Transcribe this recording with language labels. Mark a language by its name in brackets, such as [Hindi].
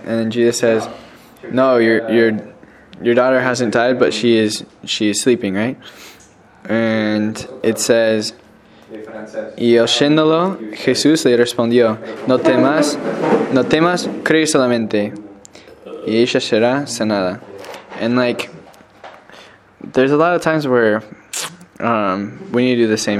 [English] And then Jesus says, no, your daughter hasn't died, but she is sleeping, right? [Spanish] And it says, y oyéndolo, Jesús le respondió, no temas, cree solamente, y ella será sanada. [English] And like, there's a lot of times where we need to do the same.